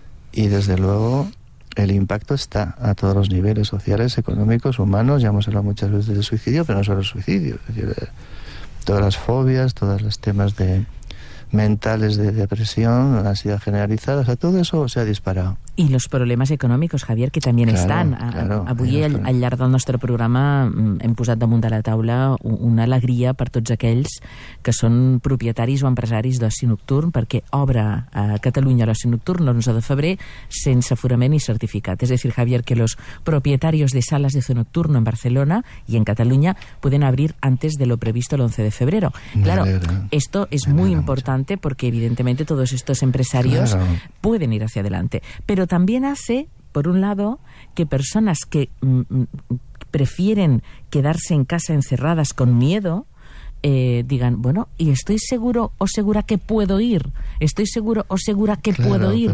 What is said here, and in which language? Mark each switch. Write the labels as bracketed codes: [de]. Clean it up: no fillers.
[es] Y desde luego el impacto está a todos los niveles sociales, económicos, humanos. Ya hemos hablado muchas veces del suicidio, pero no solo el suicidio. Es decir, todas las fobias, todos los temas de mentales de depresión, ansiedad generalizada, o sea, todo eso se ha disparado. Y los problemas [ca] econòmics, Javier, que també estan. Avui, al llarg del nostre programa, hem posat damunt de la taula una alegria per tots aquells que són propietaris o empresaris d'Oci Nocturn, perquè obre a Catalunya l'Oci Nocturn l'11 de febrer sense aforament ni certificat. És a dir, [es] Javier, que los propietarios de salas de Oci Nocturn en Barcelona y en Catalunya pueden abrir antes de lo previsto el 11 de febrero. Claro, esto es muy importante porque, evidentemente, todos estos empresarios pueden ir hacia adelante. Pero también hace, por un lado, que personas que prefieren quedarse en casa encerradas con miedo, digan, bueno, y estoy seguro o segura que puedo ir, estoy seguro o segura que puedo ir.